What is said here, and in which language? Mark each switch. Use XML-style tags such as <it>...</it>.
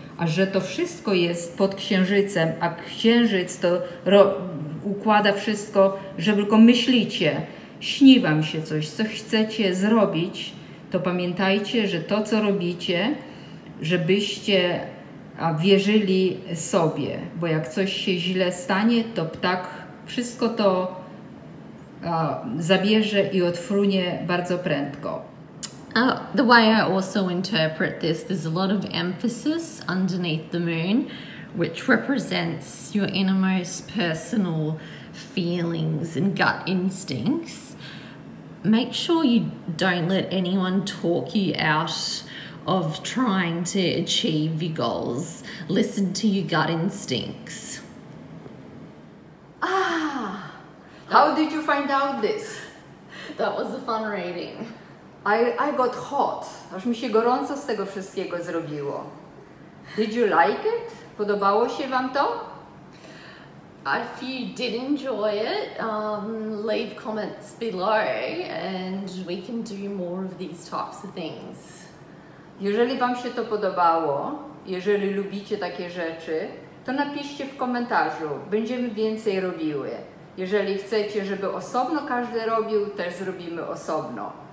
<pl>A że to wszystko jest pod księżycem, a księżyc to układa wszystko, że tylko myślicie, śni wam się coś, co chcecie zrobić, to pamiętajcie, że to, co robicie, żebyście wierzyli sobie. Bo jak coś się źle stanie, to ptak wszystko to zabierze i odfrunie bardzo prędko.</pl> <en>The way I also interpret this, there's a lot of emphasis underneath the moon, which represents your innermost personal feelings and gut instincts. Make sure you don't let anyone talk you out of trying to achieve your goals. Listen to your gut instincts. How did you find out this? That was a fun reading. I got hot,</en> <pl>aż mi się gorąco z tego wszystkiego zrobiło.</pl> <en>Did you like it?</en> <pl>Podobało się wam to?</pl> <en>If you did enjoy it, leave comments below and we can do more of these types of things.</en> <pl>Jeżeli wam się to podobało, jeżeli lubicie takie rzeczy, to napiszcie w komentarzu, będziemy więcej robiły. Jeżeli chcecie, żeby osobno każdy robił, też zrobimy osobno.</pl>